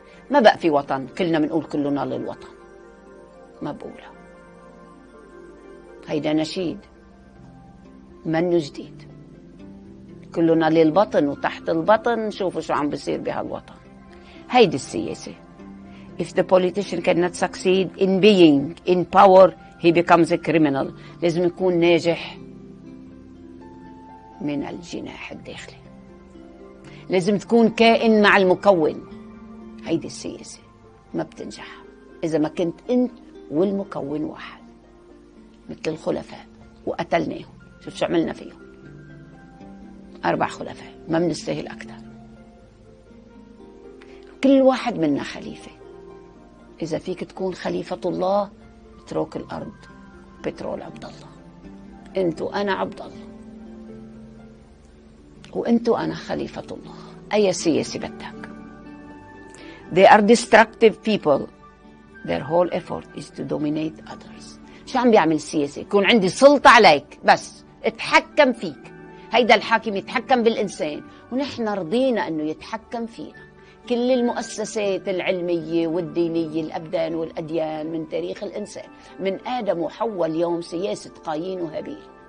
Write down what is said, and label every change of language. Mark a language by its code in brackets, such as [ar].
[ar] ما بقى في وطن، كلنا منقول كلنا للوطن، ما بقوله هيدا نشيد منو جديد. كلنا للبطن وتحت البطن، شوفوا شو عم بصير بهالوطن. هيدي السياسة. [en] If the politician cannot succeed in being in power, he becomes a criminal. [ar] لازم يكون ناجح من الجناح الداخلي، لازم تكون كائن مع المكون. هيدي السياسة ما بتنجح إذا ما كنت أنت والمكون واحد، مثل الخلفاء وقتلناهم. شوف شو عملنا فيهم، أربع خلفاء ما منستاهل أكثر. كل واحد منا خليفة. إذا فيك تكون خليفة الله، بترك الأرض بترول عبد الله. أنت وأنا عبد الله، وأنت وأنا خليفة الله. أي سياسة بدك. [en] They are destructive people. Their whole effort is to dominate others. [ar] شو عم بيعمل السياسة؟ يكون عندي سلطة عليك بس اتحكم فيك. هيدا الحاكم يتحكم بالإنسان، ونحن رضينا أنه يتحكم فينا. كل المؤسسات العلمية والدينية، الأبدان والأديان من تاريخ الإنسان، من آدم وحواء اليوم، سياسة قايين وهابيل.